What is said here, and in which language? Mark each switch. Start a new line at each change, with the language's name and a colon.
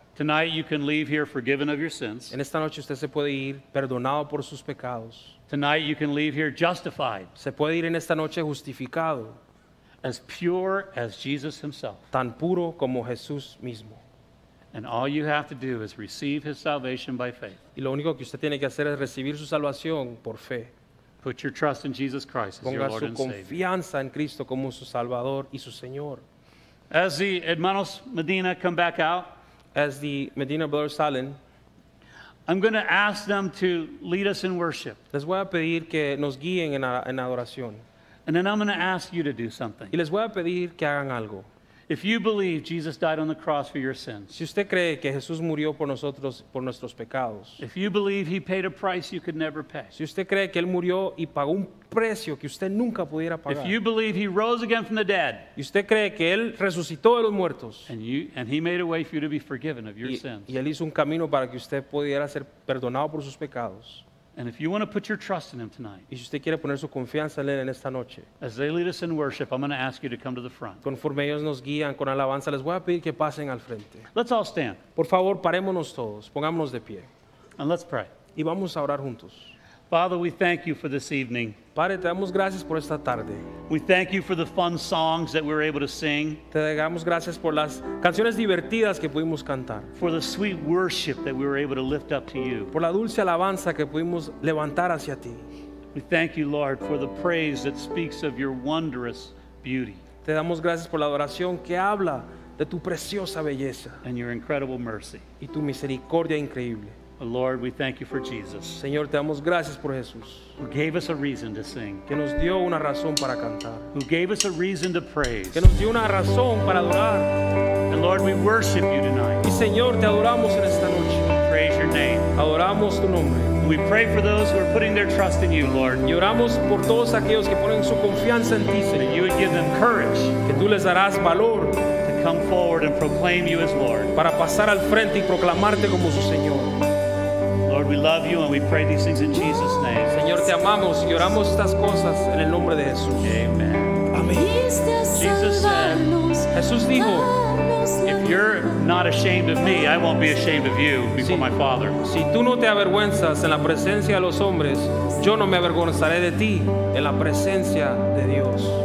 English: Tonight you can leave here forgiven of your sins.
Spanish: En esta noche usted se puede ir perdonado por sus pecados.
English: Tonight you can leave here justified.
Spanish: Se puede ir en esta noche justificado.
English: As pure as Jesus himself.
Spanish: Tan puro como Jesús mismo.
English: And all you have to do is receive his salvation by faith.
Spanish: Y lo único que usted tiene que hacer es recibir su salvación por fe.
English: Put your trust in Jesus Christ as your Lord and Savior.
Spanish: Ponga su confianza en Cristo como su Salvador y su Señor.
English: As the
Spanish: hermanos
English: Medina come back out, as the Medina brothers
Spanish: salen,
English: I'm going to ask them to lead us in worship.
Spanish: Les voy a pedir que nos guíen en adoración.
English: And then I'm going to ask you to do something.
Spanish: Y les voy a pedir que hagan algo.
English: If you believe Jesus died on the cross for your sins,
Spanish: si usted cree que Jesús murió por nosotros, por nuestros pecados,
English: if you believe he paid a price you could never pay,
Spanish: si usted cree que él murió y pagó un precio que usted nunca pudiera pagar,
English: if you believe he rose again from the dead,
Spanish: y usted cree que él resucitó de los muertos,
English: and he made a way for you to be forgiven of your sins,
Spanish: y él hizo un camino para que usted pudiera ser perdonado por sus pecados,
English: and if you want to put your trust in him tonight,
Spanish: y si usted quiere poner su confianza en él en esta noche,
English: as they lead us in worship, I'm going to ask you to come to the front.
Spanish: Conforme ellos nos guían con alabanza, les voy a pedir que pasen al frente.
English: Let's all stand.
Spanish: Por favor, parémonos todos, pongámonos de pie.
English: And let's pray.
Spanish: Y vamos a orar juntos.
English: Father, we thank you for this evening.
Spanish: Padre, te damos gracias por esta tarde.
English: We thank you for the fun songs that we were able to sing.
Spanish: Te damos gracias por las canciones divertidas que pudimos cantar.
English: For the sweet worship that we were able to lift up to you.
Spanish: Por la dulce alabanza que pudimos levantar hacia ti.
English: We thank you, Lord, for the praise that speaks of your wondrous beauty.
Spanish: Te damos gracias por la adoración que habla de tu preciosa belleza.
English: And your incredible mercy.
Spanish: Y tu misericordia increíble.
English: Lord, we thank you for Jesus.
Spanish: Señor, te damos gracias por Jesús.
English: Who gave us a reason to sing.
Spanish: Que nos dio una razón para cantar.
English: Who gave us a reason to praise.
Spanish: Que nos dio una razón para adorar.
English: And Lord, we worship you tonight.
Spanish: Y Señor, te adoramos en esta noche.
English: Praise your name.
Spanish: Adoramos tu nombre.
English: We pray for those who are putting their trust in you, Lord.
Spanish: Y oramos por todos aquellos que ponen su confianza en ti, Señor.
English: That you would give them courage.
Spanish: Que tú les darás valor.
English: To come forward and proclaim you as Lord.
Spanish: Para pasar al frente y proclamarte como su Señor.
English: Lord, we love you and we pray these things in Jesus' name.
Spanish: Señor, te amamos y oramos estas cosas en el nombre de Jesús.
English: Amen.
Spanish: Amén.
English: Jesus said,
Spanish: Jesús dijo,
English: if you're not ashamed of me, I won't be ashamed of you before my Father.
Spanish: Si tú no te avergüenzas en la presencia de los hombres, yo no me avergonzaré de ti en la presencia de Dios.